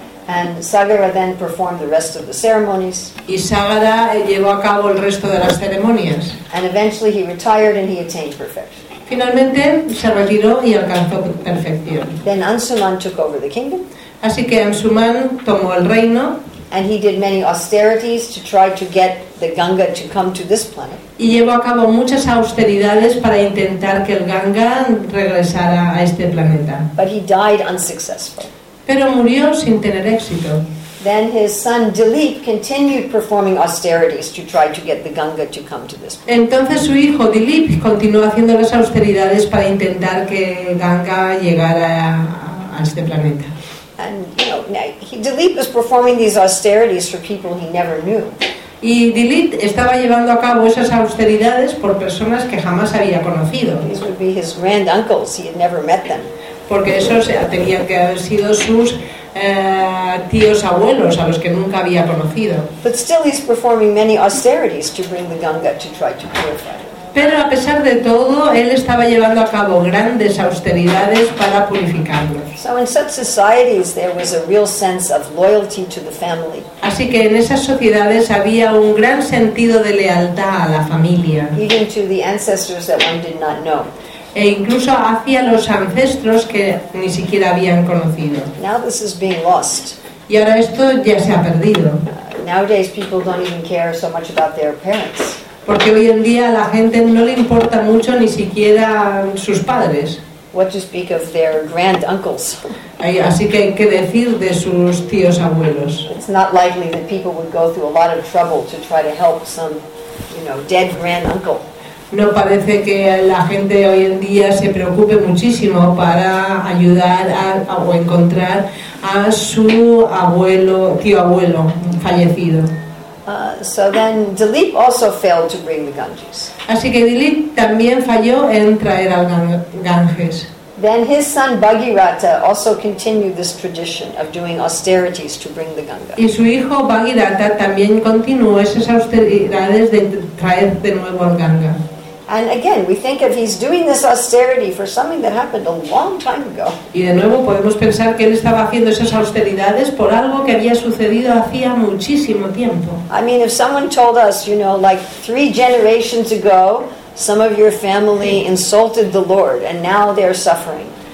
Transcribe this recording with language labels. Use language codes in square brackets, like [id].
[en] And Sagara then performed the rest of the ceremonies. [es] Y Sagara llevó a cabo el resto de las ceremonias. [en] And eventually he retired and he attained perfection. [es] Finalmente se retiró y alcanzó perfección. [en] Then Anshuman took over the kingdom. [es] Así que Anshuman tomó el reino. [en] And he did many austerities to try to get the Ganga to come to this planet. [es] Y llevó a cabo muchas austeridades para intentar que el Ganga regresara a este planeta. [en] But he died unsuccessful. [es] Pero murió sin tener éxito. [en] Then his son Dilip continued performing austerities to try to get the Ganga to come to this place. [es] Entonces su hijo Dilip continuó haciendo las austeridades para intentar que Ganga llegara a este planeta. [en] And you know, Dilip was performing these austerities for people he never knew. [es] Y Dilip estaba llevando a cabo esas austeridades por personas que jamás había conocido. [en] These would be his grand uncles, he had never met them. [es] Porque esos tenían que haber sido sus tíos abuelos a los que nunca había conocido. [en] But still he's performing many austerities to bring the Ganga to try to purify. [es] Pero a pesar de todo, él estaba llevando a cabo grandes austeridades para purificarlo. [en] So in such societies there was a real sense of loyalty to the family. [es] Así que en esas sociedades había un gran sentido de lealtad a la familia. [en] Even to the ancestors that one did not know. [es] E incluso hacia los ancestros que ni siquiera habían conocido. [en] Now this is being lost. [es] Y ahora esto ya se ha perdido. [en] Nowadays people don't even care so much about their parents. [es] Porque hoy en día a la gente no le importa mucho ni siquiera sus padres. [en] What to speak of their grand uncles. [es] Así que hay que decir de sus tíos abuelos. [en] It's not likely that people would go through a lot of trouble to try to help some, you know, dead grand uncle. [es] No parece que la gente hoy en día se preocupe muchísimo para ayudar a o encontrar a su abuelo, tío abuelo, fallecido. [en] So then Dilip also failed to bring the Ganges. [es] Así que Dilip también falló en traer al Ganges. [en] Then his son Bhagiratha also continued this tradition of doing austerities to bring the Ganga. [es] Y su hijo Bhagiratha también continuó esas austeridades de traer de nuevo al Ganga. [en] And again, we think of he's doing this austerity for something that happened a long time ago. [es] Y de nuevo podemos pensar que él estaba haciendo esas austeridades por algo que había sucedido hacía muchísimo tiempo. [en] I mean, if someone told us, you know, like 3 generations ago, some of your family insulted the Lord and now they're suffering.